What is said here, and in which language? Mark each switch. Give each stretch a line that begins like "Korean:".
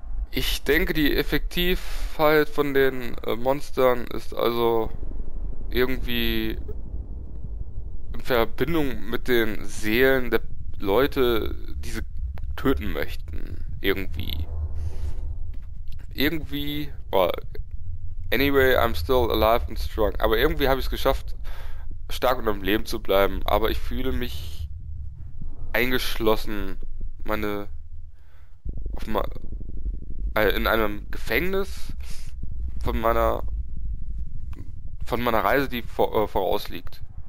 German: Ich denke, die Effektivheit von den Monstern ist also irgendwie in Verbindung mit den Seelen der Leute, die sie töten möchten. Irgendwie. Irgendwie.
English: Well, anyway, I'm still alive and strong.
German: Aber irgendwie habe ich es geschafft, stark und am Leben zu bleiben. Aber ich fühle mich eingeschlossen. Meine. Auf ma in einem Gefängnis von meiner Reise, die vorausliegt.